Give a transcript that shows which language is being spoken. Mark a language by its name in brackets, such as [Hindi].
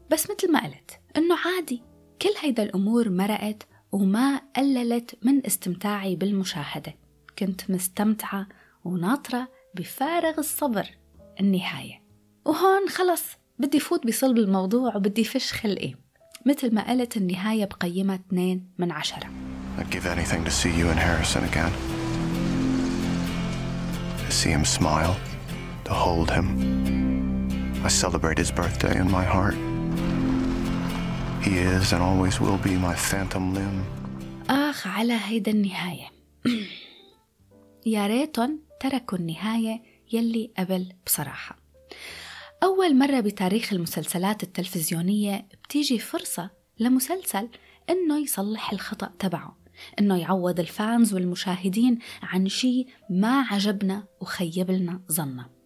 [Arabic] بس مثل ما قلت إنه عادي، كل هيدا الأمور مرقت وما قللت من استمتاعي بالمشاهدة، كنت مستمتعة وناطرة بفارغ الصبر النهاية. وهون خلص بدي فوت بصلب الموضوع وبدي فش خلقي. مثل ما قلت النهاية بقيمة 2/10. [English] I'd give anything to see you and Harrison again. To see him smile, to hold him. I celebrate his birthday in my heart. He is and always will be my phantom limb. [Arabic] آخ على هيدا النهاية. يا ريتهم تركوا النهاية يلي قبل بصراحة. أول مرة بتاريخ المسلسلات التلفزيونية بتيجي فرصة لمسلسل إنه يصلح الخطأ تبعه، إنه يعوض الفانز والمشاهدين عن شيء ما عجبنا وخيب لنا ظننا.